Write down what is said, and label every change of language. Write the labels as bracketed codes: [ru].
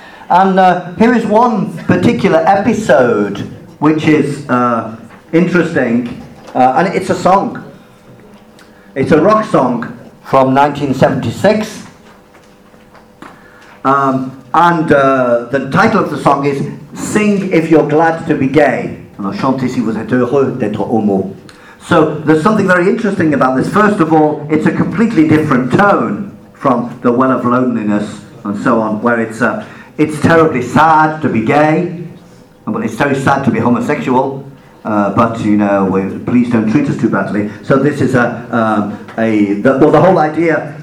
[en] And here is one particular episode which is interesting. And it's a song. It's a rock song from 1976. And the title of the song is Sing If You're Glad To Be Gay. [fr] Alors chantez si vous êtes heureux d'être homo. [en] So there's something very interesting about this. First of all, it's a completely different tone from The Well of Loneliness and so on, where it's terribly sad to be gay. Well, it's very sad to be homosexual, but you know, please don't treat us too badly. So this is the whole idea.